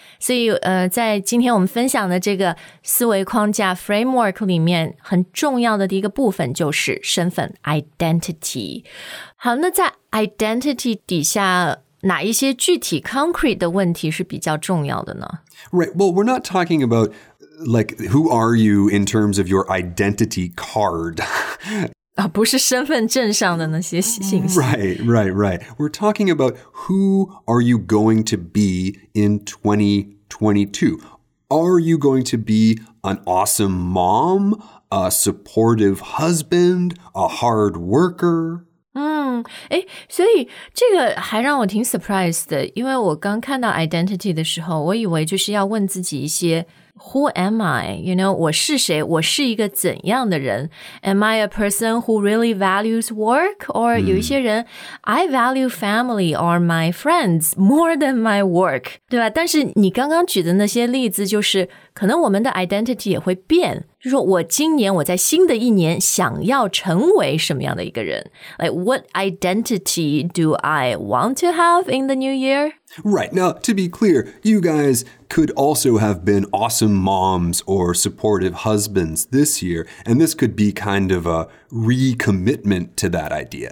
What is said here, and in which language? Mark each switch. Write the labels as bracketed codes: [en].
[zh] 所以在今天我们分享的这个思维框架 framework 里面，很重要的一个部分就是身份 identity。好，那在 identity 底下，哪一些具体 concrete 的问题是比较重要的呢？ [en] Right. Well, we're not talking about like who are you in terms of your identity card. [zh] 不是身份证上的那些信息。 [en] Right, right, right. We're talking about who are you going to be in 2022? Are you going to be an awesome mom, a supportive husband, a hard worker? [zh] 所以这个还让我挺 surprised 的，因为我刚看到 identity 的时候，我以为就是要问自己一些 [en] Who am I? You know, [zh] 我是谁？我是一个怎样的人？ [en] Am I a person who really values work? Or [zh] 有一些人 [en] I value family or my friends more than my work, [zh] 对吧？但是你刚刚举的那些例子就是可能我们的 identity 也会变，就是说我今年我在新的一年想要成为什么样的一个人。 [en] Like, what identity do I want to have in the new year? Right, now, to be clear, you guys could also have been awesome moms or supportive husbands this year, and this could be kind of a recommitment to that idea.